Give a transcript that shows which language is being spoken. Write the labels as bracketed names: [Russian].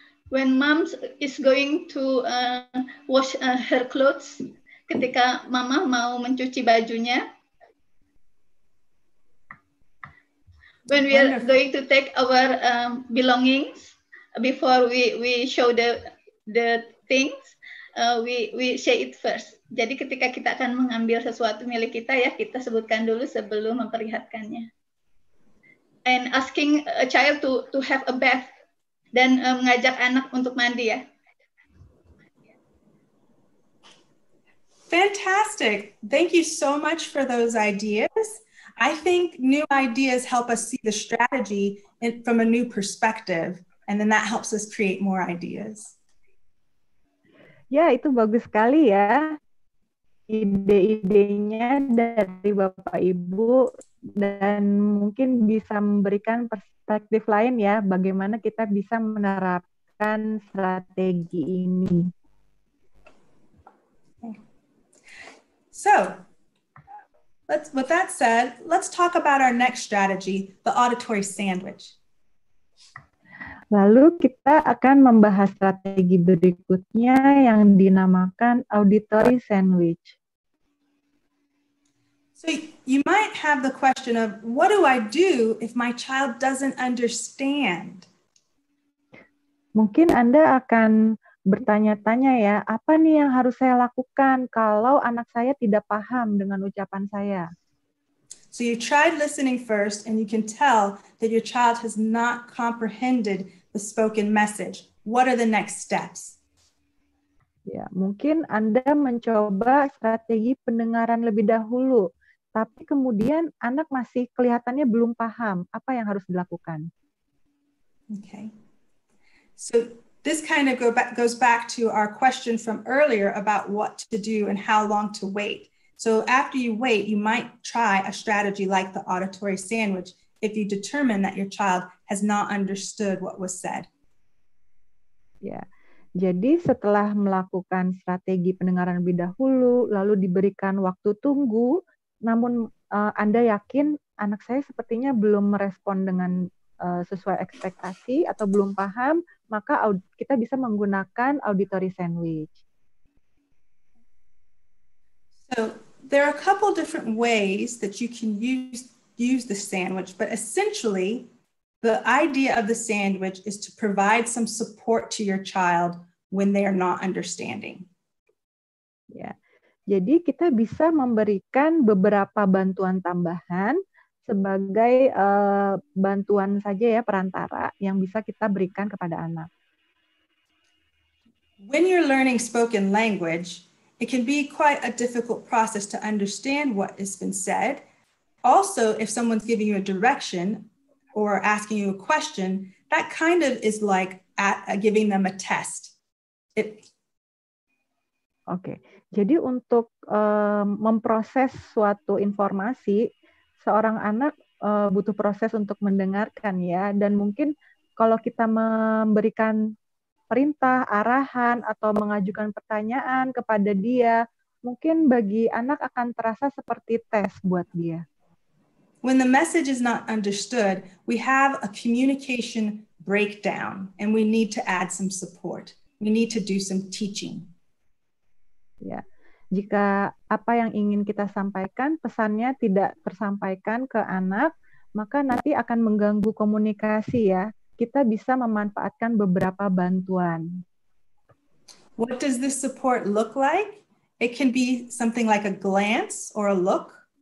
[English] When mom is going to wash her clothes, [Indonesian] ketika mama mau mencuci bajunya. [English] When we are going to take our belongings before we show the things, we say it first. [Indonesian] Jadi ketika kita akan mengambil sesuatu milik kita ya, kita sebutkan dulu sebelum memperlihatkannya. [English] And asking a child to have a bath [Indonesian] dan mengajak anak untuk mandi ya. [English] Fantastic. Thank you so much for those ideas. I think new ideas help us see the strategy from a new perspective, and then that helps us create more ideas. [Indonesian] Ya, itu bagus sekali ya. Ide-idenya dari Bapak Ibu, dan mungkin bisa memberikan perspektif lain ya, bagaimana kita bisa menerapkan strategi ini. [English] So, with that said, let's talk about our next strategy, the auditory sandwich. [Indonesian] Lalu kita akan membahas strategi berikutnya yang dinamakan auditory sandwich. [English] So you might have the question of, what do I do if my child doesn't understand? [Indonesian] Mungkin Anda akan bertanya-tanya ya, apa nih yang harus saya lakukan kalau anak saya tidak paham dengan ucapan saya? [English] So you tried listening first and you can tell that your child has not comprehended the spoken message. What are the next steps? [Indonesian] Ya, mungkin Anda mencoba strategi pendengaran lebih dahulu, tapi kemudian anak masih kelihatannya belum paham apa yang harus dilakukan. [English] Okay. So this kind of goes back to our question from earlier about what to do and how long to wait. So after you wait, you might try a strategy like the auditory sandwich if you determine that your child has not understood what was said. Yeah. [Indonesian] Jadi setelah melakukan strategi pendengaran lebih dahulu, lalu diberikan waktu tunggu, namun Anda yakin anak saya sepertinya belum merespon dengan sesuai ekspektasi atau belum paham, maka kita bisa menggunakan auditory sandwich. [English] So there are a couple different ways that you can use the sandwich, but essentially the idea of the sandwich is to provide some support to your child when they are not understanding. Yeah. [Indonesian] Jadi kita bisa memberikan beberapa bantuan tambahan sebagai bantuan saja ya, perantara yang bisa kita berikan kepada anak. [English] When you're learning spoken language, it can be quite a difficult process to understand what has been said. Also, if someone's giving you a direction or asking you a question, that kind of is like giving them a test. [Indonesian] Okay. Jadi untuk memproses suatu informasi, seorang anak butuh proses untuk mendengarkan ya, dan mungkin kalau kita memberikan perintah, arahan, atau mengajukan pertanyaan kepada dia, mungkin bagi anak akan terasa seperti tes buat dia. [English] When the message is not understood, we have a communication breakdown and we need to add some support. We need to do some teaching. [Indonesian] Ya. Jika apa yang ingin kita sampaikan pesannya tidak tersampaikan ke anak, maka nanti akan mengganggu komunikasi ya. Kita bisa memanfaatkan beberapa bantuan. [English] What does this support look like? It can be something like a glance or a look.